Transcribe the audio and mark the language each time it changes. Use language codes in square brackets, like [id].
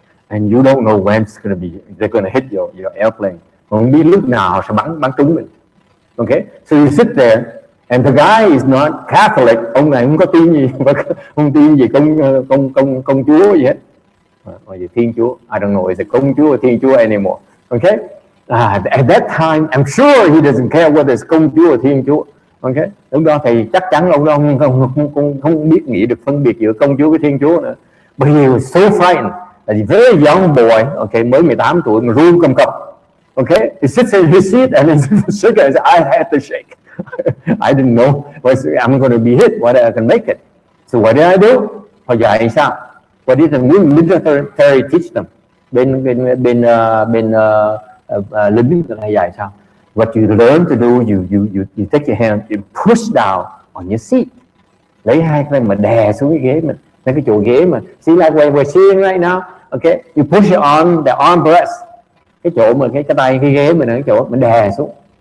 [en] And you don't know when it's gonna be, they're gonna hit your airplane. [vi] Không biết lúc nào sẽ bắn trúng mình. [en] Okay, so you sit there, and the guy is not Catholic. [vi] Ông này không có tin gì, không tin gì công chúa gì hết. [en] Or gì thiên chúa, I don't know, is it công chúa or thiên chúa anymore. Okay, at that time, I'm sure he doesn't care whether it's công chúa or thiên chúa. [vi] Okay, lúc đó thì chắc chắn ông đó không biết nghĩ được phân biệt giữa công chúa với thiên chúa nữa. [en] But he was so frightened. A very young boy, okay, [vi] mới 18 tuổi mà run cầm cập, [en] okay, he sits in his seat and says, I had to shake. I didn't know what I'm going to be hit, whether I can make it. So what did I do? [vi] Họ dạy sao? [en] What did the military teach them? [vi] Bên lính là dạy sao? [en] What you learn to do, you take your hand, you push down on your seat. [vi] Lấy hai tay mà đè xuống cái ghế mình, lấy cái chỗ ghế mà. [en] See like where we're sitting right now, okay? You push it on the arm rest. [vi] Cái chỗ mà cái tay cái ghế mình ở cái chỗ mình đè xuống.